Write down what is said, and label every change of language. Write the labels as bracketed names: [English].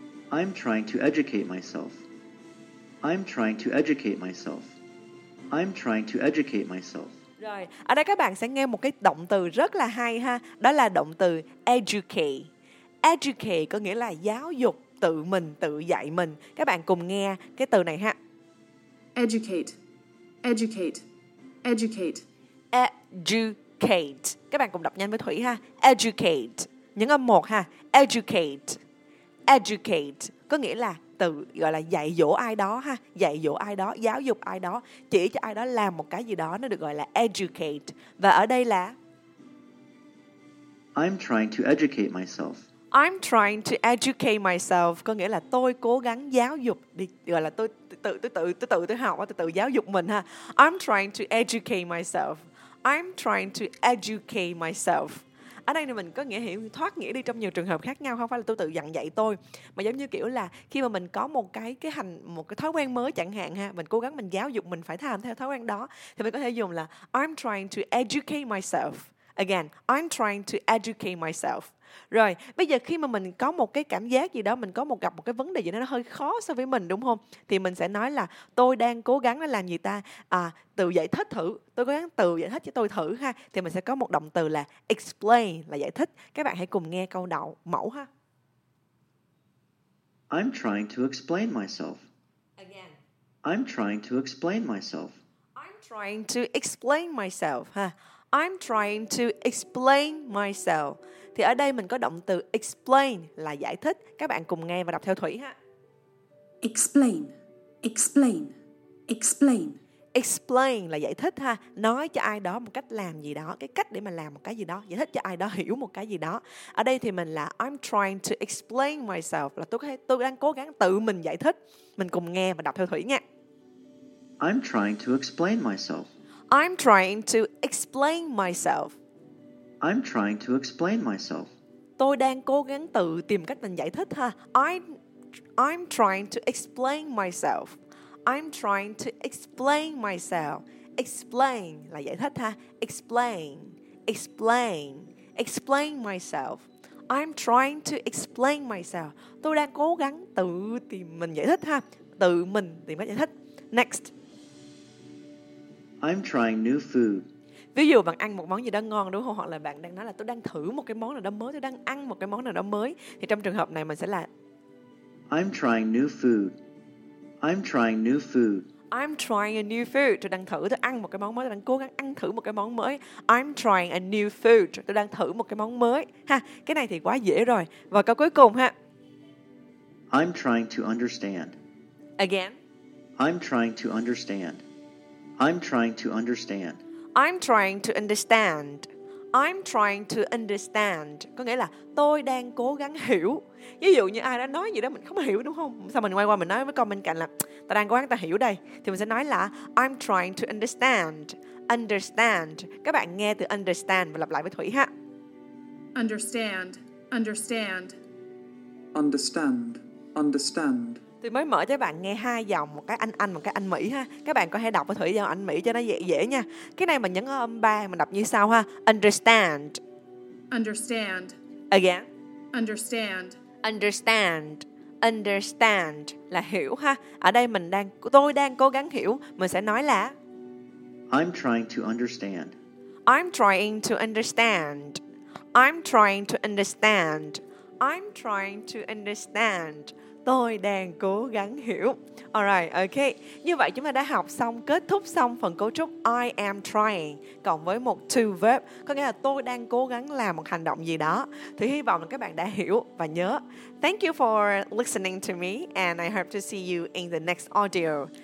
[English] I'm trying to educate myself. I'm trying to educate myself. I'm trying to educate myself. [Vietnamese] Rồi, ở đây các bạn sẽ nghe một cái động từ rất là hay ha. Đó là động từ educate. Educate có nghĩa là giáo dục tự mình, tự dạy mình. Các bạn cùng nghe cái từ này ha. [English] Educate. Educate. Educate. Educate. [Vietnamese] Các bạn cùng đọc nhanh với Thủy ha. [English] Educate. [Vietnamese] Nhấn âm một ha. [English] Educate. Educate. [Vietnamese] Có nghĩa là từ gọi là dạy dỗ ai đó ha, dạy dỗ ai đó, giáo dục ai đó, chỉ cho ai đó làm một cái gì đó, nó được gọi là educate. Và ở đây là [English] I'm trying to educate myself. I'm trying to educate myself [Vietnamese] có nghĩa là tôi cố gắng giáo dục đi, gọi là tôi tự học, tôi tự giáo dục mình ha. [English] I'm trying to educate myself. I'm trying to educate myself. [Vietnamese] Ở đây mình có nghĩa hiểu thoát nghĩa đi trong nhiều trường hợp khác nhau, không phải là tôi tự dặn dạy tôi, mà giống như kiểu là khi mà mình có một cái hành một cái thói quen mới chẳng hạn ha, mình cố gắng mình giáo dục mình phải làm theo thói quen đó, thì mình có thể dùng là [English] I'm trying to educate myself. Again, I'm trying to educate myself. [Vietnamese] Rồi, bây giờ khi mà mình có một cái cảm giác gì đó, mình có một gặp một cái vấn đề gì đó nó hơi khó so với mình, đúng không? Thì mình sẽ nói là tôi đang cố gắng làm gì ta? À, tự giải thích thử. Tôi cố gắng tự giải thích cho tôi thử ha. Thì mình sẽ có một động từ là explain, là giải thích. Các bạn hãy cùng nghe câu đầu mẫu ha. [English] I'm trying to explain myself. Again. I'm trying to explain myself. I'm trying to explain myself ha. I'm trying to explain myself. [Vietnamese] Thì ở đây mình có động từ explain là giải thích. Các bạn cùng nghe và đọc theo Thủy ha. [English] Explain. Explain. Explain. [Vietnamese] Explain là giải thích ha. Nói cho ai đó một cách làm gì đó. Cái cách để mà làm một cái gì đó. Giải thích cho ai đó hiểu một cái gì đó. Ở đây thì mình là [English] I'm trying to explain myself. [Vietnamese] Là tôi đang cố gắng tự mình giải thích. Mình cùng nghe và đọc theo Thủy nha. [English] I'm trying to explain myself. I'm trying to explain myself. I'm trying to explain myself. [Vietnamese] Tôi đang cố gắng tự tìm cách mình giải thích ha. [English] I'm trying to explain myself. I'm trying to explain myself. [Vietnamese] Explain là giải thích ha. [English] Explain, explain, explain myself. I'm trying to explain myself. [Vietnamese] Tôi đang cố gắng tự tìm mình giải thích ha. Tự mình tìm cách giải thích. [English] Next. I'm trying new food. [Vietnamese] Ví dụ bạn ăn một món gì đó ngon đúng không? Hoặc là bạn đang nói là tôi đang thử một cái món nào đó mới, tôi đang ăn một cái món nào đó mới. Thì trong trường hợp này mình sẽ là [English] I'm trying new food. I'm trying new food. I'm trying a new food. [Vietnamese] Tôi đang thử, tôi ăn một cái món mới, tôi đang cố gắng ăn thử một cái món mới. [English] I'm trying a new food. [Vietnamese] Tôi đang thử một cái món mới. Ha, cái này thì quá dễ rồi. Và câu cuối cùng ha. [English] I'm trying to understand. Again. I'm trying to understand. I'm trying to understand. I'm trying to understand. I'm trying to understand. [Vietnamese] Có nghĩa là tôi đang cố gắng hiểu. Ví dụ như ai đã nói gì đó mình không hiểu đúng không? Sao mình quay qua mình nói với con bên cạnh là ta đang cố gắng ta hiểu đây. Thì mình sẽ nói là [English] I'm trying to understand. Understand. [Vietnamese] Các bạn nghe từ understand và lặp lại với Thủy ha. [English] Understand. Understand. Understand. Understand. [Vietnamese] Thì mới mở cho các bạn nghe hai dòng, một cái anh và một cái anh Mỹ ha. Các bạn có thể đọc với Thủy dòng anh Mỹ cho nó dễ nha. Cái này mình nhấn ở âm 3, mình đọc như sau ha. [English] Understand. Understand. Again. Understand. Understand. [Vietnamese] Understand là hiểu ha. Ở đây mình đang, tôi đang cố gắng hiểu. Mình sẽ nói là [English] I'm trying to understand. I'm trying to understand. I'm trying to understand. I'm trying to understand. [Vietnamese] Tôi đang cố gắng hiểu. [English] Alright, ok. [Vietnamese] Như vậy chúng ta đã học xong, kết thúc xong phần cấu trúc [English] I am trying [Vietnamese] cộng với một [English] to verb. [Vietnamese] Có nghĩa là tôi đang cố gắng làm một hành động gì đó. Thì hy vọng là các bạn đã hiểu và nhớ. [English] Thank you for listening to me and I hope to see you in the next audio.